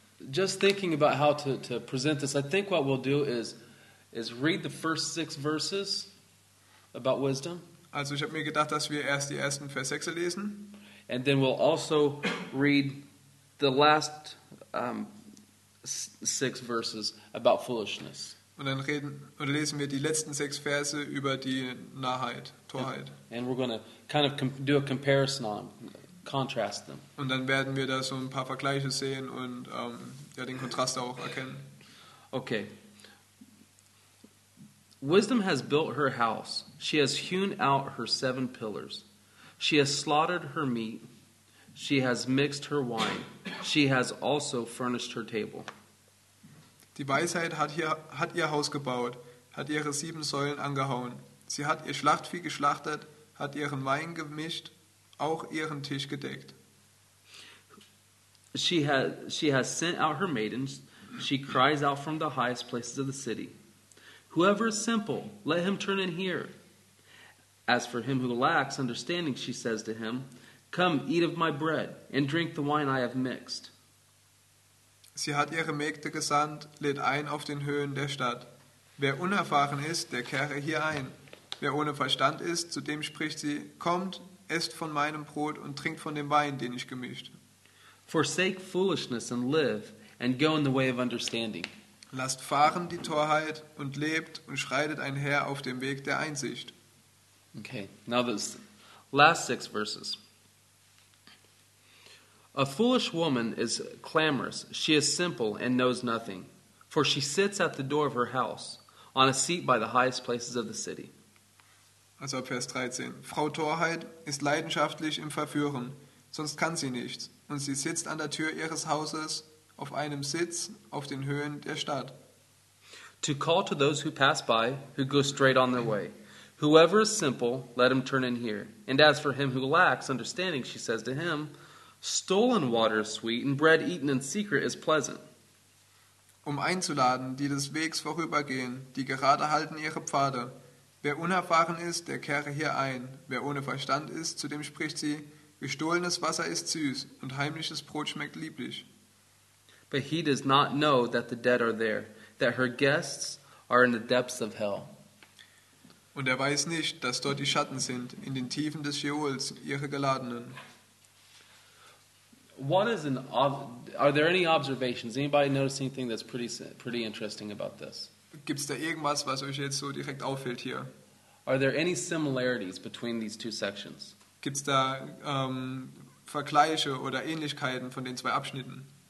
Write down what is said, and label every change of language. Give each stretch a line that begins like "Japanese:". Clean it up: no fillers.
English: just thinking about how to present this, I think what we'll do is read the first six verses about wisdom.
German: Also ich habe mir gedacht, dass wir erst die ersten Vers 6 lesen.
English: And then we'll also read the last six verses about foolishness.
German: Und dann lesen wir die letzten sechs Verse über die Narrheit, Torheit.
English: And we're going to kind of do a comparison on them, contrast them.
German: Und dann werden wir da so ein paar Vergleiche sehen und ja, den Kontrast auch erkennen.
English: Okay. Wisdom has built her house. She has hewn out her seven pillars. She has slaughtered her meat. She has mixed her wine. She has also furnished her table.
German: Die Weisheit hat ihr Haus gebaut, hat ihre sieben Säulen angehauen. Sie hat ihr Schlachtvieh geschlachtet, hat ihren Wein gemischt, auch ihren Tisch gedeckt.
English: She has sent out her maidens. She cries out from the highest places of the city. Whoever is simple, let him turn and hear. As for him who lacks understanding, she says to him, come, eat of my bread, and drink the wine I have mixed.
German: Sie hat ihre Mägde gesandt, lädt ein auf den Höhen der Stadt. Wer unerfahren ist, der kehre hier ein. Wer ohne Verstand ist, zu dem spricht sie, kommt, esst von meinem Brot und trinkt von dem Wein, den ich gemischt.
English: Forsake foolishness and live, and go in the way of understanding.
German: Lasst fahren die Torheit und lebt und schreitet einher auf dem Weg der Einsicht.
English: Okay, now the last six verses. A foolish woman is clamorous. She is simple and knows nothing. For she sits at the door of her house, on a seat by the highest places of the city.
German: Also ab Vers 13. Frau Torheit ist leidenschaftlich im Verführen, sonst kann sie nichts. Und sie sitzt an der Tür ihres Hauses, auf einem Sitz, auf den Höhen der Stadt.
English: To call to those who pass by, who go straight on their way. Whoever is simple, let him turn in here. And as for him who lacks understanding, she says to him, stolen water is sweet, and bread eaten in secret is pleasant.
German: Um einzuladen, die des Wegs vorübergehen, die gerade halten ihre Pfade. Wer unerfahren ist, der kehre hier ein. Wer ohne Verstand ist, zu dem spricht sie, gestohlenes Wasser ist süß, und heimliches Brot schmeckt lieblich.
English: But he does not know that the dead are there, that her guests are in the depths of hell.
German: Und er weiß nicht, dass dort die Schatten sind, in den Tiefen des Scheols, ihre Geladenen.
English: What is an are there any observations? Anybody notice anything that's pretty interesting about this?
German: Gibt's da irgendwas, was euch jetzt so direkt auffällt hier?
English: Are there any similarities between these two sections?
German: Gibt's da Vergleiche oder Ähnlichkeiten von den zwei Abschnitten?